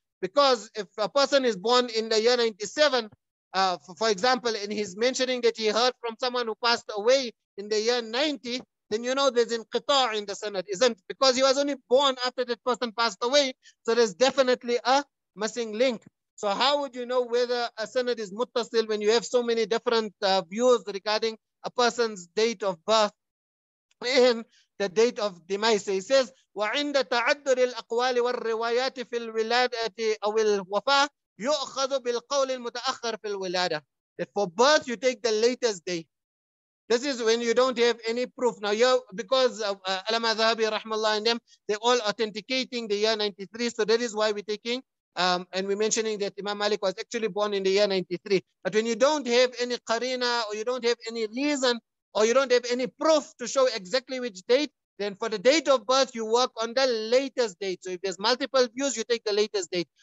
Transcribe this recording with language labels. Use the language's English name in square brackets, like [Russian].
[English] Because if a person is born in the year 97, for example, and he's mentioning that he heard from someone who passed away in the year 90, then you know there's inqita' in the sanad, isn't it? Because he was only born after that person passed away. So there's definitely a missing link. So how would you know whether a sanad is muttasil when you have so many different views regarding a person's date of birth and the date of demise? So he says, [Arabic] وَعِنْدَ تَعَدُّرِ الْأَقْوَالِ وَالرِّوَايَاتِ فِي الْوِلَادَةِ أَوِ الْوَفَاةِ يُؤْخَذُ بِالْقَوْلِ الْمُتَأَخَّرِ فِي الْوِلَادَةِ. [English] That for birth, you take the latest day. This is when you don't have any proof. Now, because Alama Zahabi, rahmallah, and them, they're all authenticating the year 93. So that is why we're taking, and we're mentioning that Imam Malik was actually born in the year 93. But when you don't have any qarina, or you don't have any reason, or you don't have any proof to show exactly which date, then for the date of birth, you work on the latest date. So if there's multiple views, you take the latest date.